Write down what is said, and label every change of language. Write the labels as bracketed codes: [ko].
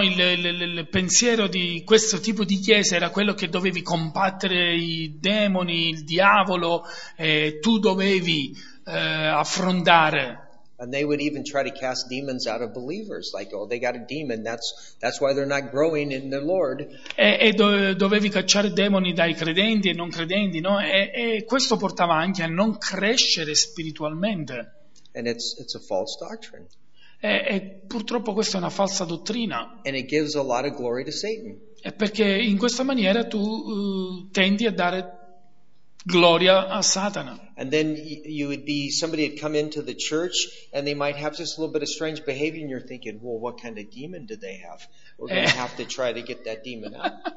[it] il pensiero di questo tipo di chiesa era quello che dovevi combattere i demoni, il diavolo, e tu dovevi affrontare. [en] And they would even try to cast demons out of believers, like, oh, they got a demon, that's why they're not growing in their Lord. [it] E dovevi cacciare demoni dai credenti e non credenti, no? E questo portava anche a non crescere spiritualmente. [en] And it's a false doctrine. [it] E purtroppo questa è una falsa dottrina. [en] And it gives a lot of glory to Satan. [it] È perché in questa maniera tu tendi a dare gloria a Satana. [en] And then you would be somebody had come into the church and they might have just a little bit of strange behavior and you're thinking, well, what kind of demon do they have? We're going to have to try to get that demon out.